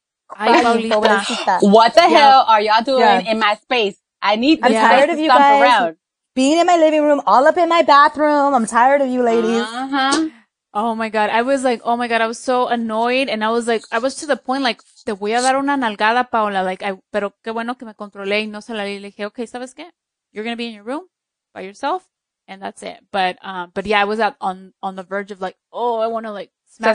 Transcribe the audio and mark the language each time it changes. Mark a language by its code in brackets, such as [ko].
[en] What the hell are y'all doing in my space? I need this. I'm tired of you guys around. Being in my living room, all up in my bathroom. I'm tired of you ladies. Uh-huh. Oh my God. I was like, oh my God. I was so annoyed. And I was like, I was to the point, like, [es] te voy a dar una nalgada, Paola. Like, pero qué bueno que me controlé y no salí. Le dije, okay, ¿sabes qué? [en] You're gonna be in your room by yourself and that's it. But yeah, I was at on the verge of like, oh, I wanna like smack